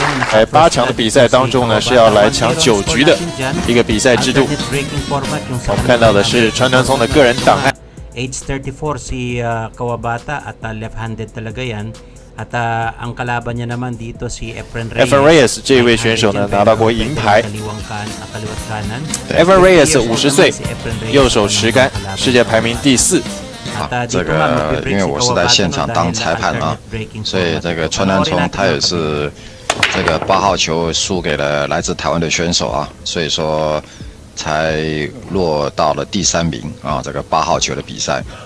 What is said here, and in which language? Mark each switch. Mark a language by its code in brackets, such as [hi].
[zh] 在八强的比赛当中呢，是要来抢九局的一个比赛制度。我们看到的是川端聪的个人档案。 [en] Age 34 [tl] si Kawabata at [en] left-handed [tl] talaga yan. At ang kalaban niya naman dito si Efren Reyes. [zh] Efren Reyes 这位选手呢，拿到过银牌。Efren Reyes 50岁，右手持杆，世界排名第四。好，这个因为我是在现场当裁判啊，所以这个川端聪他也是这个八号球输给了来自台湾的选手啊，所以说才落到了第三名啊，这个八号球的比赛。